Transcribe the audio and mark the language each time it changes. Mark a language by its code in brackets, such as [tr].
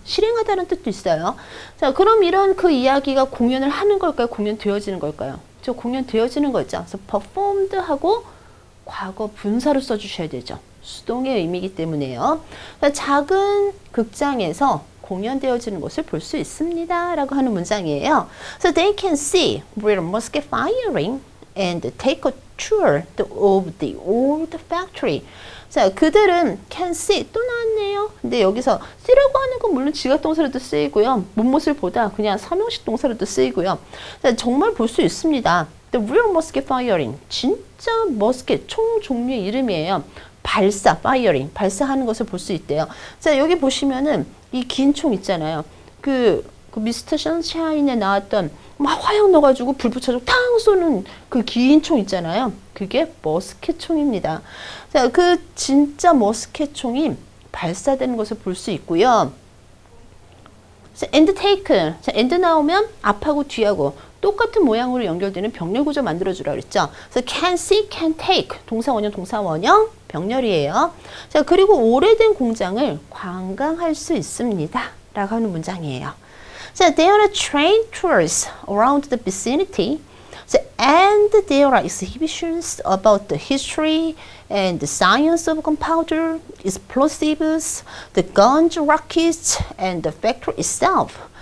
[ko] 실행하다는 뜻도 있어요. 자, 그럼 이런 그 이야기가 공연을 하는 걸까요? 공연되어지는 걸까요? 저 공연되어지는 거죠. 그래서 performed 하고 과거 분사로 써주셔야 되죠. 수동의 의미이기 때문에요. 자, 작은 극장에서 공연되어지는 것을 볼 수 있습니다. 라고 하는 문장이에요. [en] So they can see where musket firing and take a tour of the old factory. [ko] 자, 그들은 can see 또 나왔네요. 근데 여기서 see라고 하는 건 물론 지각동사로도 쓰이고요. 문모습을 보다 그냥 서명식 동사로도 쓰이고요. 자, 정말 볼 수 있습니다. [en] The real musket firing. [ko] 진짜 musket 총 종류의 이름이에요. 발사, firing. 발사하는 것을 볼 수 있대요. 자, 여기 보시면은 이 긴 총 있잖아요. 그 미스터 선샤인에 나왔던 막 화약 넣어가지고 불 붙여주고 탕 쏘는 그 긴 총 있잖아요. 그게 머스켓 총입니다. 자, 그 진짜 머스켓 총이 발사되는 것을 볼 수 있고요. [en] and take. [ko] 자, and 나오면 앞하고 뒤하고 똑같은 모양으로 연결되는 병렬 구조 만들어주라고 했죠. 그래서 [en] can see, can take. [ko] 동사원형, 병렬이에요. 자, 그리고 오래된 공장을 관광할 수 있습니다. 라고 하는 문장이에요. [en] So there are train tours around the vicinity. So, and there are exhibitions about the history and the science of gunpowder, explosives, the guns, rockets, and the factory itself.